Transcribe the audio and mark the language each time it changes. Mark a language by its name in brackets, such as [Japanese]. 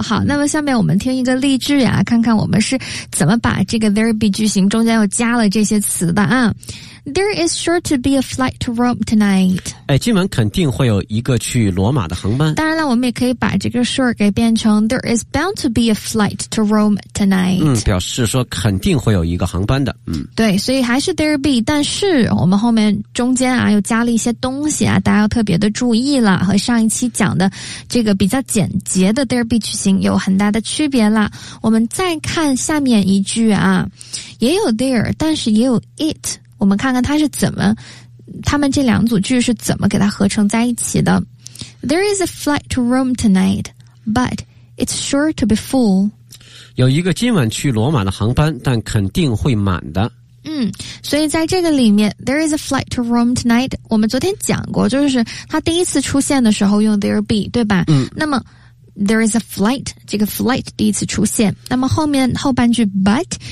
[Chinese] 好，那么下面我们听一个例句啊，看看我们是怎么把这个 there be 句型中间又加了这些词的啊。 [English] There is sure to be a flight to Rome tonight. [Chinese] 哎，今晚肯定会有一个去罗马的航班。当然了，我们也可以把这个 sure 给变成 [English] There is bound to be a flight to Rome tonight. [Chinese] 嗯，表示说肯定会有一个航班的。嗯，对，所以还是 there be， 但是我们后面中间啊又加了一些东西啊，大家要特别的注意了，和上一期讲的这个比较简洁的 there be 句型有很大的区别了。我们再看下面一句啊，也有 there， 但是也有 it。我们看看它是怎么，他们这两组句是怎么给它合成在一起的。 [English] There is a flight to Rome tonight, but it's sure to be full. [Chinese] 有一个今晚去罗马的航班，但肯定会满的。嗯，所以在这个里面 ， [English] there is a flight to Rome tonight。 [Chinese] 我们昨天讲过，就是它第一次出现的时候用 there be， 对吧？嗯。那么 [English] there is a flight， [Chinese] 这个 flight 第一次出现，那么后面后半句 but。